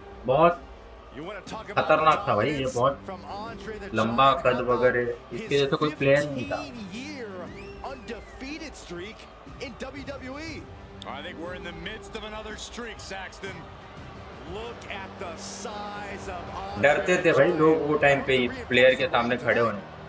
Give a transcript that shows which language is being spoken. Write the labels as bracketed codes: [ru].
[hi] बहुत खतरनाक था भाई ये, बहुत लंबा कद वगैरह इसके जैसे कोई प्लेयर नहीं था. [en] undefeated streak in WWE. I think we're in the midst of another streak, Saxton. Look at the size of Andre. [hi] डरते थे भाई लोग वो टाइम पे इस प्लेयर के सामने खड़े होने.